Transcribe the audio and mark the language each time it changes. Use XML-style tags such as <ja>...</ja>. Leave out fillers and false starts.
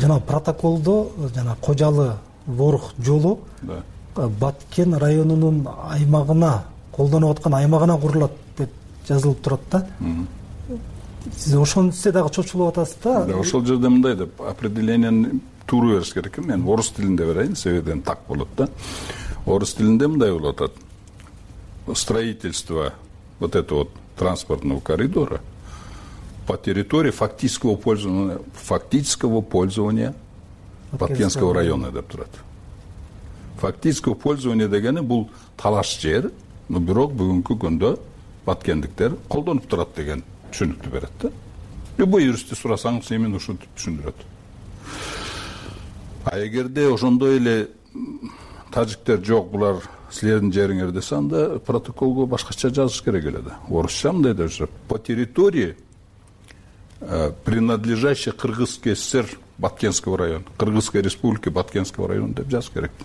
<ky>Жанагы протоколдо жана Кожалы Ворух жолу Баткен районунун аймагына, колдонуп аткан аймагына курулат деп жазылып турат да. Сиз ошону сизе дагы чочулуп атасыз да. Ошол жерде мындай деп определениени туура бериш керек. Мен орус тилинде берейин, себеби так болот да. Орус тилинде мындай болуп атат.</ky> <ru>Строительство вот этого вот транспортного коридора по территории фактического пользования Баткенского района</ru> <ky>деп турат.</ky> <ru>Фактическое пользование</ru> <ky>дегени бул талаш жер, но бирок бүгүнкү күндө баткендиктер колдонуп турат деген түшүнүктү берет да. Любой юристти сурасаңыз эмин ушинтип түшүндүрөт. А эгерде ошондой эле тажиктер жок, булар силердин жериңер десе, анда протоколго башкача жазыш керек эле да. Орусча мындай деп жүрөт.</ky> <ru>По территории принадлежащей Кыргызской ССР Баткенского района, Кыргызской Республики Баткенского района</ru> <ky>деп жазыш керек.</ky>